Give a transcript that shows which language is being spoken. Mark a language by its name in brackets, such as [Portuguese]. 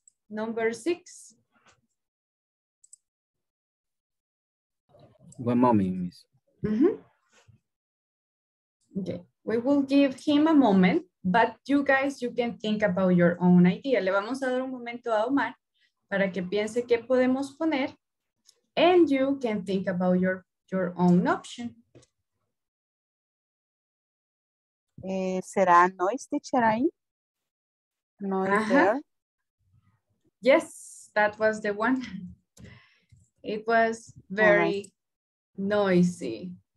[English] Number six. One moment, miss. Mm-hmm. Okay. We will give him a moment, but you guys, you can think about your own idea. [Spanish] Le vamos a dar un momento a Omar para que piense qué podemos poner. [English] And you can think about your own option. [Spanish] ¿Será noise teacher ahí? [English] Noise there? Yes, that was the one. It was very noisy.